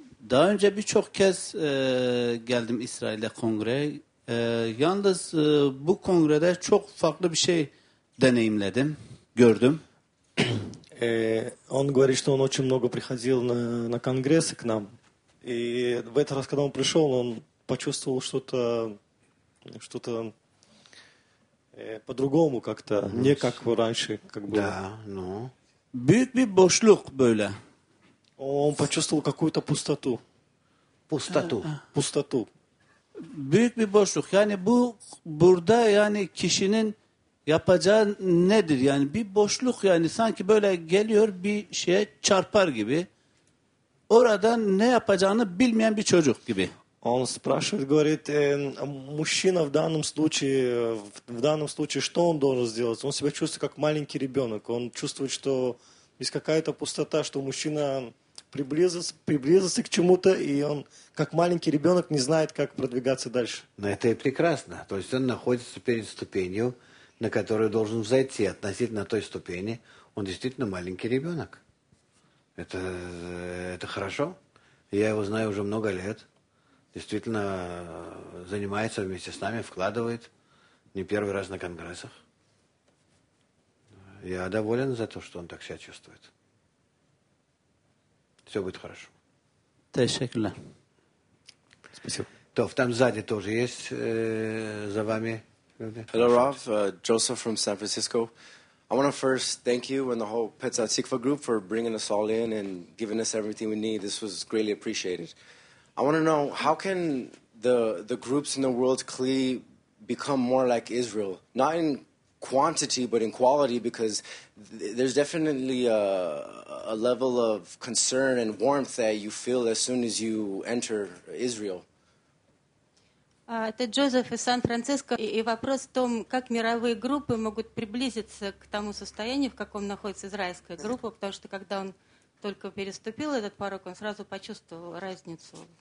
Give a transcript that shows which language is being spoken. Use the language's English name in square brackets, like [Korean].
[Turkish] Daha önce birçok kez geldim İsrail'de kongreye. Yalnız bu kongrede çok farklı bir şey deneyimledim, gördüm. [Russian] Он говорит, что он очень много приходил на конгрессы к нам. И в этот раз, когда он пришел, он почувствовал что-то по-другому как-то, не как раньше, как было. Да, ну. [Turkish] Büyük bir boşluk böyle. [Russian] Он почувствовал какую-то пустоту. Пустоту. Пустоту. [Turkish] Büyük bir boşluk. Yani burada yani kişinin yapacağı nedir? Yani bir boşluk yani sanki böyle geliyor bir şeye çarpar gibi. Orada ne yapacağını bilmeyen bir çocuk gibi. [Russian] Он спрашивает, говорит, мужчина в данном случае, что он должен сделать? Он себя чувствует как маленький ребенок. Он чувствует, что есть какая-то пустота, что мужчина приблизился к чему-то, и он как маленький ребенок не знает, как продвигаться дальше. Но это и прекрасно. То есть он находится перед ступенью, на которую должен взойти. Относительно той ступени он действительно маленький ребенок. Это хорошо. Я его знаю уже много лет. Действительно занимается вместе с нами, вкладывает. Не первый раз на конгрессах. Я доволен за то, что он так себя чувствует. Все будет хорошо. Спасибо. Тов, там сзади тоже есть за вами. [English] Hello, Rav. Joseph from San Francisco. I want to first thank you and the whole Petzat Sikva group for bringing us all in and giving us everything we need. This was greatly appreciated. I want to know, how can the groups in the world Kli become more like Israel? Not in quantity, but in quality, because there's definitely a level of concern and warmth that you feel as soon as you enter Israel. [Russian] Это Джозеф из Сан-Франциско. И вопрос в том, как мировые группы могут приблизиться к тому состоянию, в каком находится израильская группа, потому что когда он только переступил этот порог, он сразу почувствовал разницу.